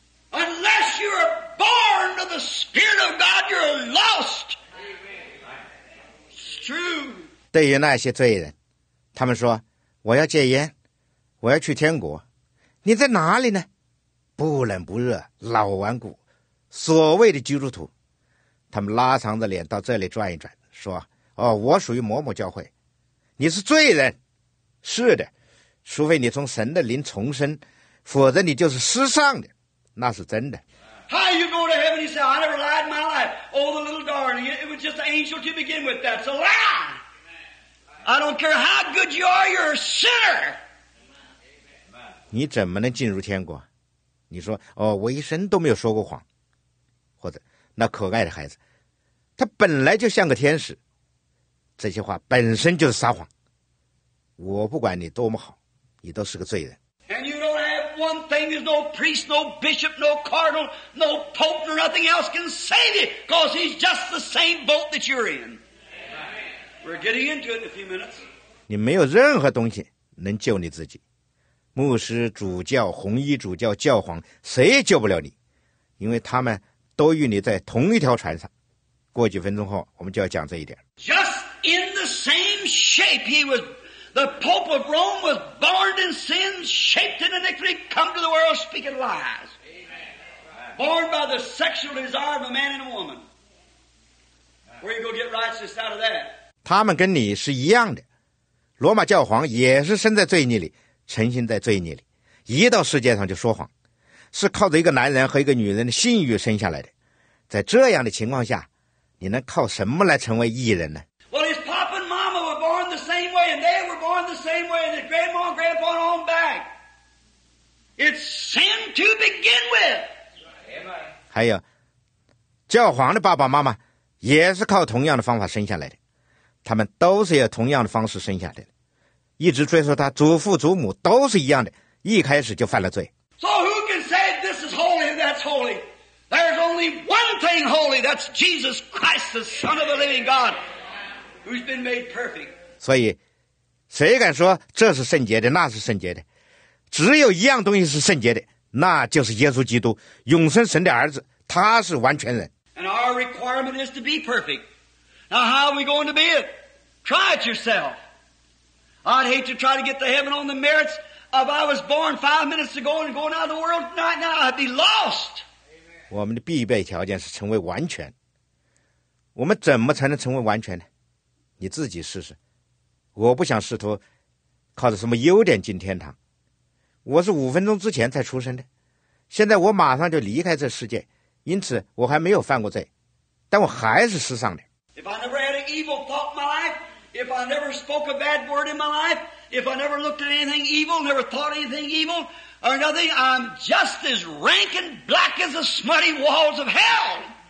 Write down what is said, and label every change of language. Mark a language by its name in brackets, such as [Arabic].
[English] Unless you are born of the Spirit of God, you're lost. It's true. [Chinese] 对于那些罪人，他们说，我要戒烟，我要去天国。你在哪里呢？不冷不热，老顽固，所谓的基督徒。他们拉长着脸到这里转一转，说，哦，我属于某某教会。你是罪人，是的，除非你从神的灵重生，否则你就是失丧的，那是真的。 [English] How you go to heaven? You say I never lied in my life. Oh, the little darling, it was just an angel to begin with. That's a lie. I don't care how good you are, you're a sinner. [Chinese] 你怎么能进入天国？你说哦，我一生都没有说过谎，或者那可爱的孩子，他本来就像个天使。这些话本身就是撒谎。我不管你多么好，你都是个罪人。 [English] And you don't have one thing, there's no priest, no bishop, no cardinal, no pope, or nothing else can save you, because he's just the same boat that you're in. We're getting into it in a few minutes. [Chinese] 你没有任何东西能救你自己。牧师、主教、红衣主教、教皇，谁也救不了你，因为他们都与你在同一条船上。过几分钟后，我们就要讲这一点。 [English] Just in the same shape he was, the Pope of Rome was born in sin, shaped in iniquity, come to the world speaking lies. Born by the sexual desire of a man and a woman. Where you go get righteous out of that? [Chinese] 他们跟你是一样的，罗马教皇也是生在罪孽里，成心在罪孽里，一到世界上就说谎，是靠着一个男人和一个女人的性欲生下来的。在这样的情况下，你能靠什么来成为义人呢？ [English] Well, his papa and mama were born the same way, and they were born the same way, and his grandma and grandpa on back. It's sin to begin with. [Chinese] 还有，教皇的爸爸妈妈也是靠同样的方法生下来的，他们都是用同样的方式生下来的，一直追溯他祖父祖母都是一样的，一开始就犯了罪。 [English] So who can say this is holy and that's holy? There's only one thing holy, that's Jesus Christ, the Son of the living God, who's been made perfect. [Chinese] 所以，谁敢说这是圣洁的，那是圣洁的？只有一样东西是圣洁的，那就是耶稣基督，永生神的儿子，他是完全人。 [English] And our requirement is to be perfect. Now how are we going to be it? Try it yourself. I'd hate to try to get to heaven on the merits of I was born 5 minutes ago and going out of the world right now. I'd be lost. [Chinese] 我们的必备条件是成为完全。我们怎么才能成为完全呢？你自己试试。我不想试图靠着什么优点进天堂。我是5分钟之前才出生的。现在我马上就离开这世界，因此我还没有犯过罪，但我还是世上的。 [English] If I never had an evil thought in my life,If I never spoke a bad word in my life, if I never looked at anything evil, never thought anything evil or nothing, I'm just as rank and black as the smutty walls of hell.